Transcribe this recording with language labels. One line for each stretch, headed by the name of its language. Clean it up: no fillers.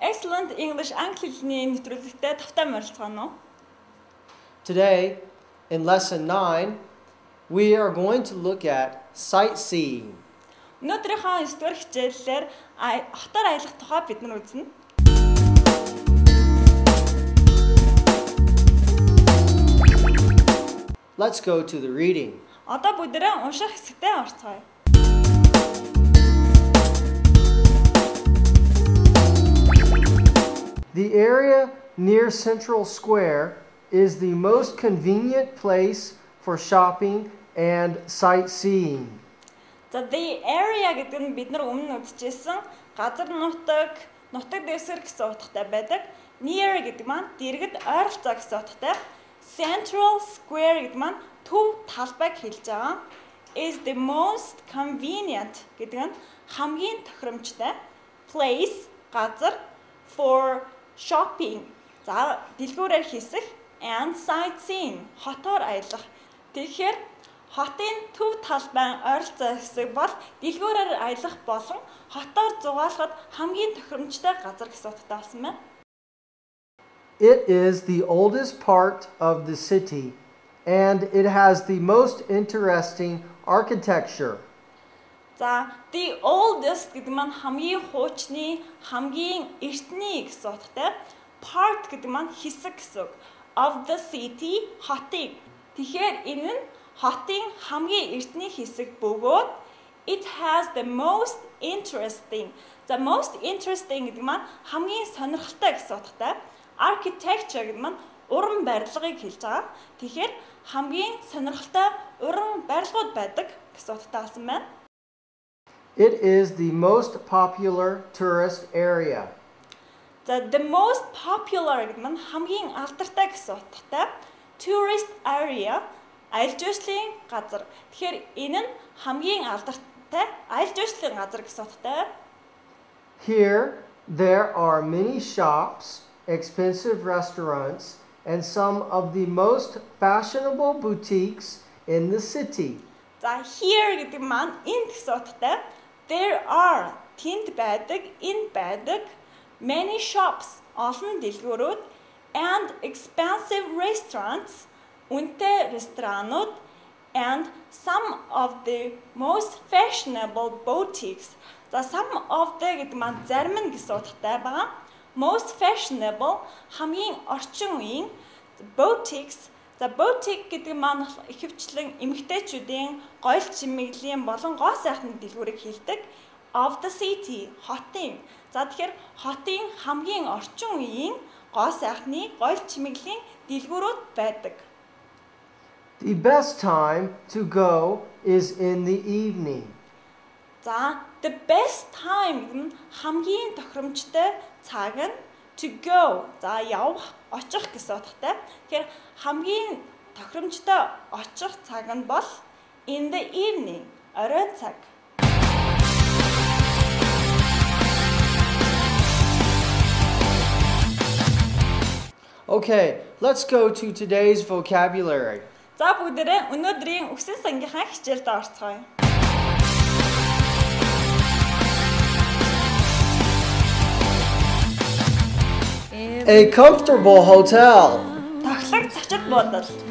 Mongolian: Excellent English англи хэлний нэвтрүүлэгтээ тавтай морилцгоно уу?
English: Today, in lesson 9, we are going to look at sightseeing.
Mongolian: Өнөөдрийнхөө 9-р хичээлээр хотоор аялах тухай бид нар үзнэ.
English: Let's go to the reading.
Mongolian: Одоо бүдэрэн унших хэсэгтээ орцгоё.
English: The area near Central Square is the most convenient place for shopping and sightseeing. So the area
Mongolian: гэдэг нь бид нар өмнө үзчихсэн газар нутаг, нутаг дэвсгэр гэсэн утгатай байдаг. Near гэдэг маань дэргэд ойролцоо гэсэн утгатай. Central Square гэдэг маань төв талбайг хэлж байгаа.
English: Is the most convenient
Mongolian: гэдэг нь хамгийн тохиромжтой
English: place
Mongolian: газар
English: for shopping.
Mongolian: За, дэлгүүрээр хийсэх
English: and sightseeing
Mongolian: хотоор аялах. Тэгэхээр хотын төв талбай ойролцоо хэсэг бол дэлгүүрээр аялах болон хотоор зугаалахад хамгийн тохиромжтой газар гэсэн утгатай болсон байна.
English: It is the oldest part of the city, and it has the most interesting architecture.
Mongolian: За,
English: the oldest
Mongolian: гэдэг нь хамгийн хуучны, хамгийн эртний гэсэн утгатай. Part гэдэг нь хэсэг гэсэн үг.
English: Of the city,
Mongolian: хотын. Тэгэхээр энэ нь хотын хамгийн эртний хэсэг бөгөөд
English: it has the most interesting. The most interesting
Mongolian: гэдэг нь хамгийн сонирхолтой гэсэн утгатай. Architecture гэдэг нь уран барилгыг хэлж байгаа. Тэгэхээр хамгийн сонирхолтой уран барилгууд байдаг гэсэн утгатай болсон байна.
English: It is the most popular tourist area. The most popular
Mongolian: гэдэг нь хамгийн алдартай гэсэн утгатай.
English: Tourist area
Mongolian: аялал жуулчлалын газар. Тэгэхээр энэ нь хамгийн алдартай аялал жуулчлалын газар гэсэн утгатай.
English: Here there are many shops, expensive restaurants, and some of the most fashionable boutiques in the city.
Mongolian: За,
English: here
Mongolian: гэдэг маань энэ гэсэн утгатай.
English: There are
Mongolian: тэнд байдаг, энэ байдаг
English: many shops,
Mongolian: олон дэлгүүрүүд,
English: and expensive restaurants,
Mongolian: үнэтэй ресторанууд,
English: and some of the most fashionable boutiques.
Mongolian: За,
English: some of the
Mongolian: гэдэг маань зарим нь гэсэн утгатай байна.
English: Most fashionable
Mongolian: хамгийн орчин үеийн
English: boutiques. The boutique
Mongolian: гэдэг маань ихэвчлэн эмэгтэйчүүдийн гоё чимэглэлийн болон гоо сайхны дэлгүүрийг хэлдэг.
English: Of the city,
Mongolian: хотын. За, тэгэхээр хотын хамгийн орчин үеийн гоо сайхны гоё чимэглэлийн дэлгүүрүүд байдаг.
English: The best time to go is in the evening.
Mongolian: За,
English: the best time
Mongolian: хамгийн тохиромжтой цаг нь
English: to go,
Mongolian: за, явах, очих гэсэн утгатай. Тэгэхээр хамгийн тохиромжтой очих цаг нь бол
English: in the evening,
Mongolian: оройн цаг.
English: Okay, let's go to today's vocabulary.
Mongolian: За, бүгдээрээ өнөөдрийн үгсэн сангийнхаа хичээлд орцгоё.
English: A comfortable hotel.
Mongolian: Тохлог цачит бодол.